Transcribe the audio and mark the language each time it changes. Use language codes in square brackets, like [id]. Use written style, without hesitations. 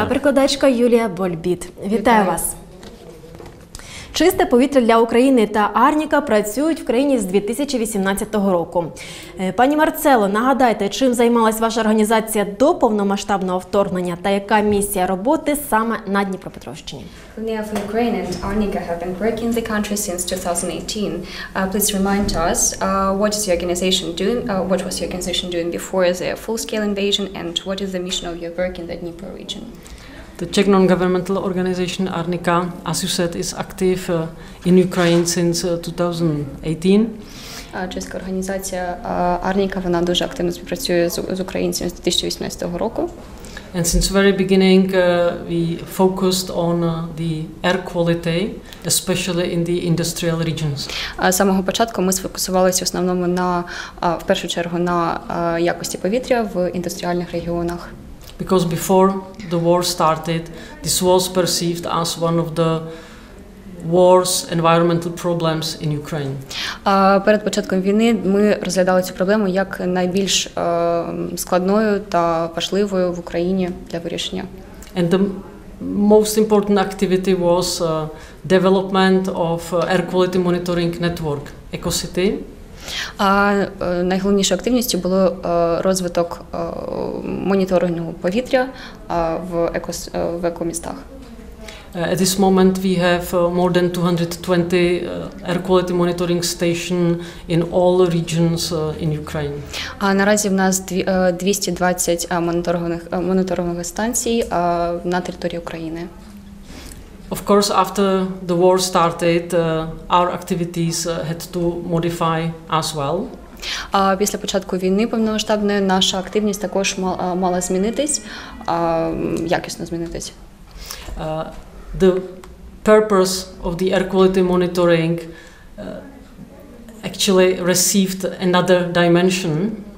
[uk] Та перекладачка Юлія Больбіт. Вітаю вас. «Чисте повітря для України» та «Арніка» працюють в країні з 2018 року. Пані Марцело, нагадайте, чим займалась ваша організація до повномасштабного вторгнення та яка місія роботи саме на Дніпропетровщині? [en] We have Ukraine and Arnika have been working in the country since 2018. Please remind us, what is your organization doing? What was your organization doing before the full-scale invasion and what is the mission of your work in the Dnipro region? The Czech non-governmental organization Arnika, as you said, is active in Ukraine since 2018. [pl] Czeska organizacja Arnika, [uk] вона дуже активно співпрацює з українцями з 2018 року. [en] And since the very beginning, we focused on the air quality, especially in the industrial regions. [uk] З самого початку ми сфокусувалися в основному на в першу чергу на якості повітря в індустріальних регіонах. [en] Because before the war started, this was perceived as one of the war's environmental problems in Ukraine. [uk] Перед початком війни ми розглядали цю проблему як найбільш складною та важливою в Україні для вирішення. [en] And the most important activity was development of air quality monitoring network, EcoCity. [uk] А найголовнішою активністю було розвиток моніторингу повітря в екомістах. [en] At this moment we have more than 220 air quality monitoring stations in all regions in Ukraine. [uk] А наразі в нас 220 моніторингових станцій на території України. [en] Of course, after the war started, our activities had to modify as well. [uk] Після початку війни повномасштабної наша активність також мала змінитись, якісно змінитись. [en] The purpose of the air quality monitoring actually received another dimension.